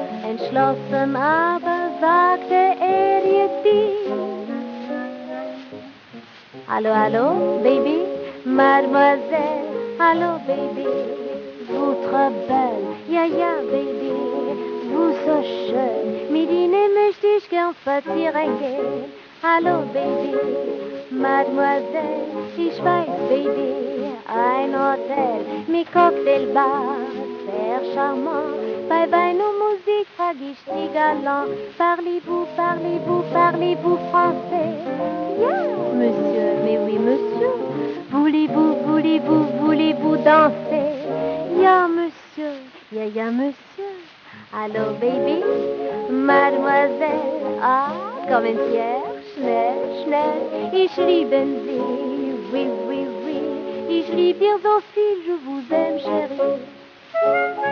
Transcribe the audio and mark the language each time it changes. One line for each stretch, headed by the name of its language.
German: Entschlossen aber sagte er ihr dies: Hallo, hallo, Baby, Mademoiselle, hallo, Baby,
French: vous très belle,
German: ja, ja, Baby, vous so schön, mit dine möchte ich gern spazieren gehen. Hallo, Baby, Mademoiselle, ich weiß, Baby, ein Hotel mit Cocktailbar, sehr charmant. Bye bye, nos musiques, frag ich die galant.
French: Parlez-vous, parlez-vous, parlez-vous français? Yeah, monsieur, mais oui, monsieur. Voulez-vous, voulez-vous, voulez-vous danser? Yeah, monsieur, yeah, yeah, monsieur. Allô, baby, mademoiselle. Ah, comme une pierre,
German: schnell, schnell. Ich liebe sie,
French: oui, oui, oui.
German: Ich liebe ihr so viel,
French: je vous aime, chérie.